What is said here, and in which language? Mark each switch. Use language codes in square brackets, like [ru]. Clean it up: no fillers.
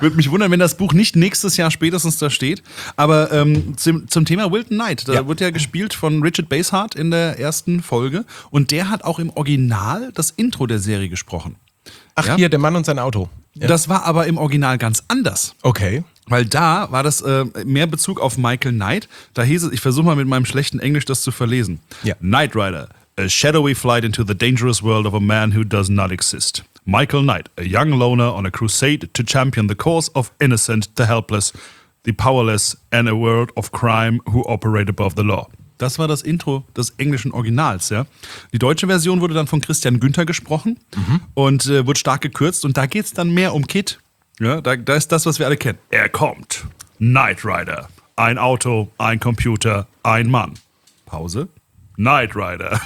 [de] Würde mich wundern, wenn das Buch nicht nächstes Jahr spätestens da steht. Aber zum Thema Wilton Knight, da wird ja gespielt von Richard Basehart in der ersten Folge. Und der hat auch im Original das Intro der Serie gesprochen. Ach hier, der Mann und sein Auto. Ja. Das war aber im Original ganz anders. Okay. Weil da war das mehr Bezug auf Michael Knight. Da hieß es, ich versuche mal mit meinem schlechten Englisch das zu verlesen. Ja. [en] Knight Rider, a shadowy flight into the dangerous world of a man who does not exist. Michael Knight, a young loner on a crusade to champion the cause of innocent, the helpless, the powerless and a world of crime who operate above the law. [de] Das war das Intro des englischen Originals, ja. Die deutsche Version wurde dann von Christian Günther gesprochen und wurde stark gekürzt. Und da geht es dann mehr um Kit. Ja, da ist das, was wir alle kennen. Er kommt. Knight Rider. Ein Auto, ein Computer, ein Mann. Pause. Knight Rider.